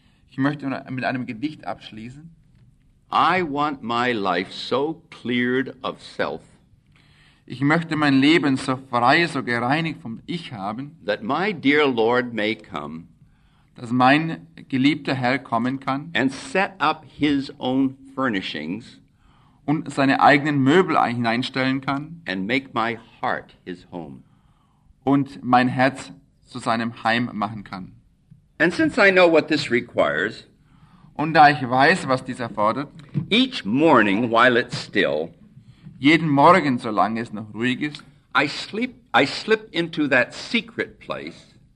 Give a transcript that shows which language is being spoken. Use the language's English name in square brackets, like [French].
[German] Ich möchte mit einem Gedicht abschließen. [English] I want my life so cleared of self. [German] Ich möchte mein Leben so frei, so gereinigt vom Ich haben. [English] That my dear Lord may come. [German] Dass mein geliebter Herr kommen kann. [English] And set up his own furnishings. [German] Und seine eigenen Möbel hineinstellen kann. [English] And make my heart his home. [German] Und mein Herz zu seinem Heim machen kann. [English] And since I know what this requires. [German] Und da ich weiß, was dies erfordert. [English] Each morning while it's still. [German] Jeden Morgen, solange es noch ruhig ist. [English] I slip into that secret place.